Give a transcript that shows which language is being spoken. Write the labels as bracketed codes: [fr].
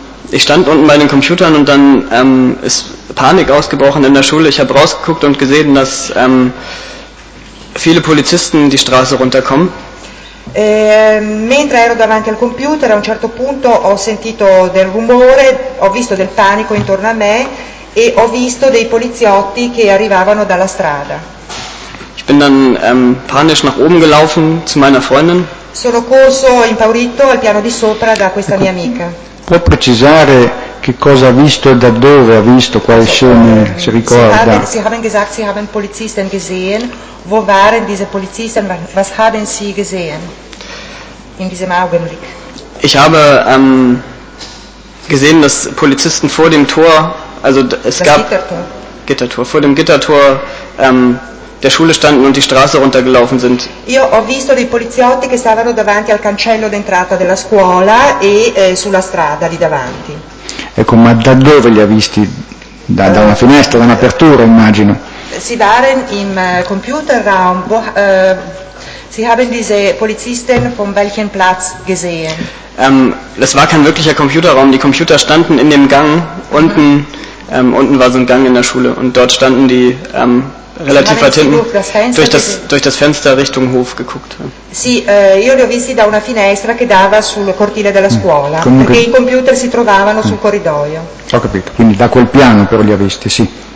[de] Ich stand unten bei den Computern und dann ist Panik ausgebrochen in der Schule. Ich habe rausgeguckt und gesehen, dass viele Polizisten die Straße runterkommen. [it] Mentre ero davanti al computer, a un certo punto ho sentito del rumore, ho visto del panico intorno a me e ho visto dei poliziotti che arrivavano dalla strada. [de] Ich bin dann panisch nach oben gelaufen zu meiner Freundin. [it] Sono corso impaurito al piano di sopra da questa mia amica. Può precisare che cosa ha visto e da dove ha visto, quale scene si ricorda? [de] Sie haben gesagt, Sie haben Polizisten gesehen. Wo waren diese Polizisten? Was haben Sie gesehen in diesem Augenblick? Ich habe gesehen, dass Polizisten vor dem Tor, also es das gab Gittertor. Gittertor, vor dem Gittertor der Schule standen und die Straße runtergelaufen sind. [it] Io ho visto dei poliziotti che stavano davanti al cancello d'entrata della scuola e sulla strada lì davanti. Ecco, ma da dove li ha visti? Da una finestra, da un'apertura, immagino. [de] Sie waren im Computerraum. Sie haben diese Polizisten von welchem Platz gesehen? Das war kein wirklicher Computerraum. Die Computer standen in dem Gang unten. Unten war so ein Gang in der Schule und dort standen die relativ weit hinten durch das Fenster Richtung Hof geguckt. [it] Sì, io li ho visti da una finestra che dava sul cortile della scuola, perché i computer si trovavano sul corridoio. Ho capito, quindi da quel piano però li ha visti, sì.